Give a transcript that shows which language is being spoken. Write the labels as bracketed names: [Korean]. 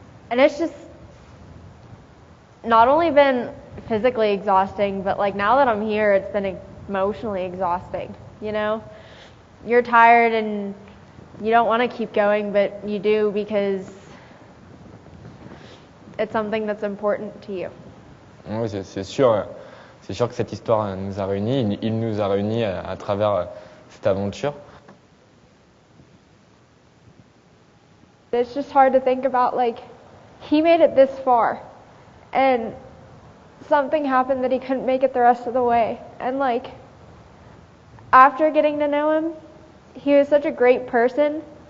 [English] And it's just not only been physically exhausting, but like now that I'm here, it's been emotionally exhausting. You know, you're tired and you don't want to keep going, but you do because it's something that's important to you. [French] Oui, c'est sûr que cette histoire nous a réunis, il nous a réunis à travers cette aventure. [English] It's just hard to think about, like, he made it this far, and something happened that he couldn't make it the rest of the way. And like, after getting to know him, he was such a great person.